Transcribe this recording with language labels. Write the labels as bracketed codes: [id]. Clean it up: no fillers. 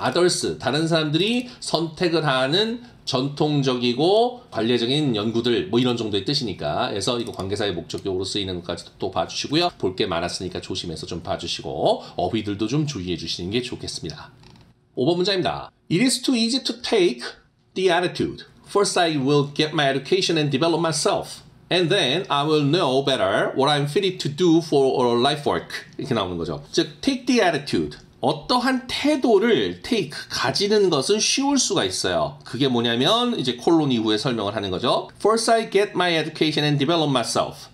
[ko] others 다른 사람들이 선택을 하는 전통적이고 관례적인 연구들 뭐 이런 정도의 뜻이니까 해서 이거 관계사의 목적격으로 쓰이는 것까지도 또 봐주시고요. 볼 게 많았으니까 조심해서 좀 봐주시고 어휘들도 좀 주의해 주시는 게 좋겠습니다. 5번 문장입니다. [en] It is too easy to take the attitude. First I will get my education and develop myself. And then I will know better what I'm fitted to do for a life work. [ko] 이렇게 나오는 거죠. 즉 [en] take the attitude. [ko] 어떠한 태도를 take, 가지는 것은 쉬울 수가 있어요. 그게 뭐냐면 이제 콜론 이후에 설명을 하는 거죠. [en] First I get my education and develop myself.